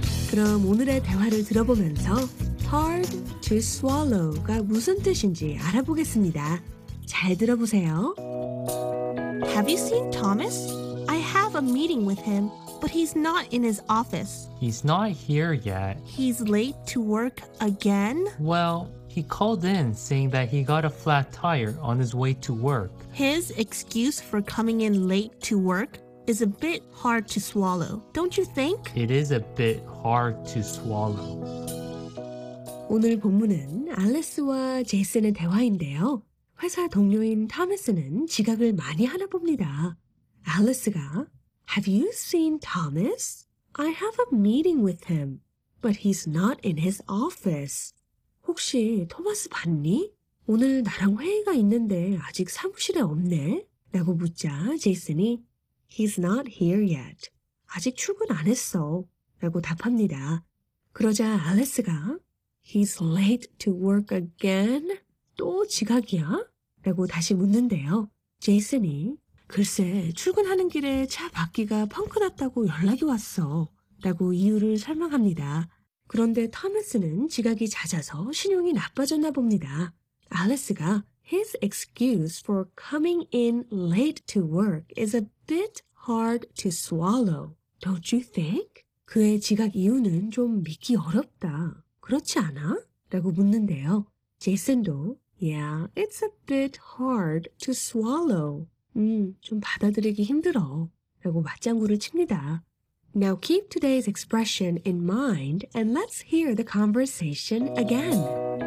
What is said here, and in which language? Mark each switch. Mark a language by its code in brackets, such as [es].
[ko] 그럼 오늘의 대화를 들어보면서 hard to swallow가 무슨 뜻인지 알아보겠습니다. 잘 들어보세요. [en] Have you seen Thomas? I have a meeting with him, but he's not in his office. He's not here yet. He's late to work again? Well, he called in saying that he got a flat tire on his way to work. His excuse for coming in late to work is a bit hard to swallow, don't you think? It is a bit hard to swallow. [ko] 오늘 본문은 알리스와 제이슨의 대화인데요. 회사 동료인 토마스는 지각을 많이 하나 봅니다. [en] 알리스가 Have you seen Thomas? I have a meeting with him, but he's not in his office. [ko] 혹시 토마스 봤니? 오늘 나랑 회의가 있는데 아직 사무실에 없네? 라고 묻자 제이슨이 [en] He's not here yet. [ko] 아직 출근 안 했어. 라고 답합니다. 그러자 알리스가 [en] He's late to work again? [ko] 또 지각이야? 라고 다시 묻는데요. 제이슨이 글쎄 출근하는 길에 차 바퀴가 펑크났다고 연락이 왔어 라고 이유를 설명합니다. 그런데 토마스는 지각이 잦아서 신용이 나빠졌나 봅니다. [en] 알리스가 His excuse for coming in late to work is a bit hard to swallow. Don't you think? [ko] 그의 지각 이유는 좀 믿기 어렵다. 그렇지 않아? 라고 묻는데요. [en] 제이슨도 Yeah, it's a bit hard to swallow. [ko] 좀 받아들이기 힘들어. 라고 맞장구를 칩니다. [en] Now keep today's expression in mind and let's hear the conversation again.